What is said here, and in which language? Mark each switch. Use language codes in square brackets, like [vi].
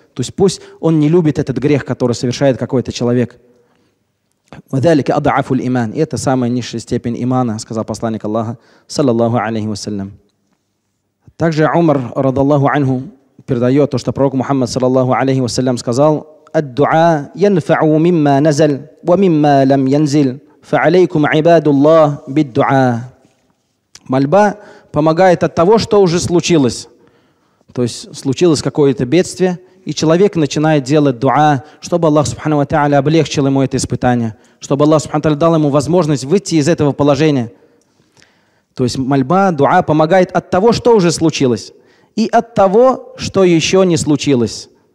[ru] То есть пусть он не любит этот грех, который совершает какой-то человек. [ar] وذلك أضعف الإيمان. [ru] Это самая низшая степень имана, сказал посланник Аллаха, саллаллаху алейхи вассалям. Также Умар, радаллаху анху, передает то, что пророк Мухаммад, саллаллаху алейхи вассалям, сказал: [ar] الدعاء ينفع مما نزل ومما لم ينزل فعليكم عباد الله بالدعاء. [ru] Мольба помогает от того, что уже случилось. То есть случилось какое-то бедствие, и человек начинает делать дуа, чтобы Аллах Субхану ва Тааля облегчил ему это испытание, чтобы Аллах Субхану ва Тааля дал ему возможность выйти из этого положения. То есть мольба, дуа помогает от того, что уже случилось, и от того, что еще не случилось.